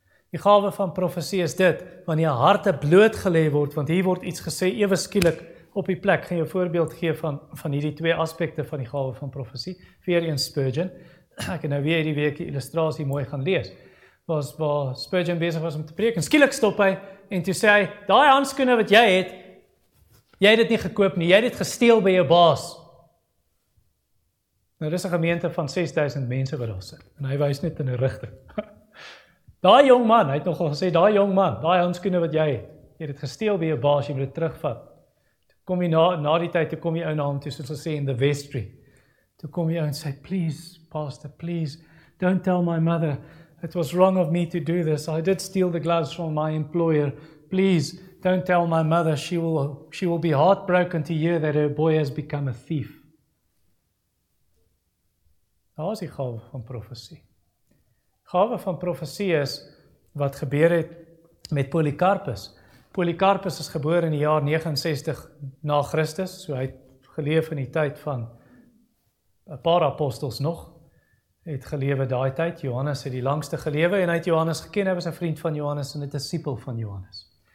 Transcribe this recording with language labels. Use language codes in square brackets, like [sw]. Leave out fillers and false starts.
[af] Die gawe van profesie is dit, wanneer jou harte bloot gelê word, want hier word iets gesê ewe skielik op die plek, gaan jou voorbeeld gee van hierdie twee aspekte van die gawe van profesie, weer een Spurgeon, ek het nou weer die week die illustrasie mooi gaan lees, waar Spurgeon besig was om te preek, en skielik stop hy, en toe sê hy, daai handskoene wat jy het, jy het dit nie gekoop nie, jy het dit gesteel by jou baas. Nou, dit is 'n gemeente van 6000 mense wat daar sit. En hy wys net in 'n rigting. Daai jong man, hy het nogal gesê, daai jong man, daai handskoene wat jy het, jy het dit gesteel by jou baas, jy moet dit terugvat. Kom jy na die tyd, toe kom jy ou na hom toe, soos hulle sê, [en] in the vestry. Toe kom jy ou en sê, please, pastor, please, don't tell my mother, it was wrong of me to do this, I did steal the gloves from my employer, please, don't tell my mother, she will be heartbroken to hear that her boy has become a thief. [af] Daar is die gawe van profesie. Gawe van profesie is wat gebeur het met Polycarpus. Polycarpus is gebore in die jaar 69 na Christus, so hy het geleef in die tyd van 'n paar apostels nog, het gelewe daai tyd, Johannes het die langste gelewe, en hy het Johannes geken, hy was 'n vriend van Johannes en 'n disipel van Johannes.